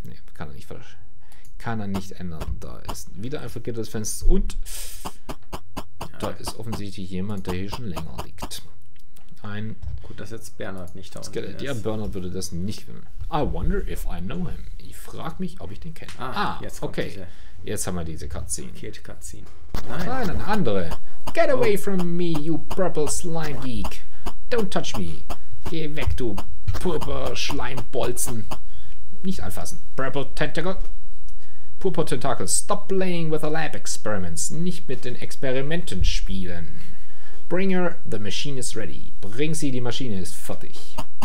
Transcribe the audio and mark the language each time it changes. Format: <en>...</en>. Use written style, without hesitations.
<de>Ne, kann er nicht ändern. Da ist wieder ein vergittertes Fenster und da ist offensichtlich jemand, der hier schon länger liegt. Ein gut, dass jetzt Bernard nicht da ist. Ja, Bernard würde das nicht wissen.</de> <en>I wonder if I know him.</en> <de>Ich frage mich, ob ich den kenne. Jetzt okay. Jetzt haben wir diese Cutscene. Kate Cutscene. Nein, eine andere.</de> <en>Get away from me, you purple slime geek. Don't touch me.</en> <de>Geh weg, du purple Schleimbolzen. Nicht anfassen. Purple Tentacle. Purple Tentacle.</de> <en>Stop playing with the lab experiments.</en> <de>Nicht mit den Experimenten spielen.</de> <en>Bring her, the machine is ready.</en> <de>Bring sie, die Maschine ist fertig.</de>